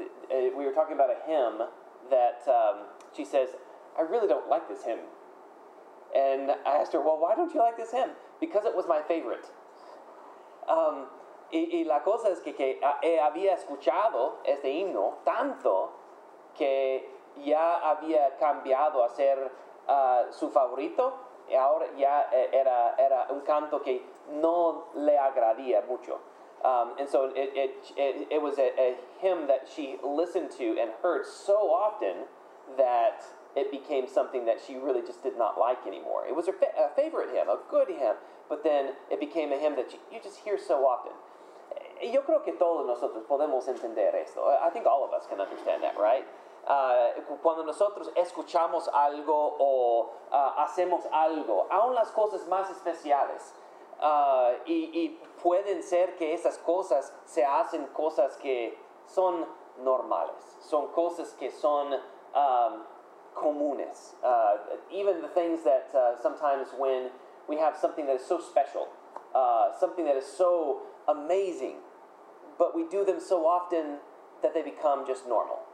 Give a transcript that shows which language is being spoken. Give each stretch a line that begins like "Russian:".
English: We were talking about a hymn that she says, "I really don't like this hymn." And I asked her, "Well, why don't you like this hymn?" "Because it was my favorite."
Spanish: Y la cosa es que había escuchado este himno tanto que ya había cambiado a ser su favorito. Y ahora ya era un canto que no le agradía mucho.
English: And so it was a hymn that she listened to and heard so often that it became something that she really just did not like anymore. It was her a favorite hymn, a good hymn, but then it became a hymn that you just hear so often.
Spanish: Yo creo que todos nosotros podemos entender esto.
English: I think all of us can understand that, right?
Spanish: Cuando nosotros escuchamos algo o hacemos algo, aun las cosas más especiales, y pueden ser que esas cosas se hacen cosas que son normales, son cosas que son comunes.
English: Even the things that sometimes when we have something that is so special, something that is so amazing, but we do them so often that they become just normal.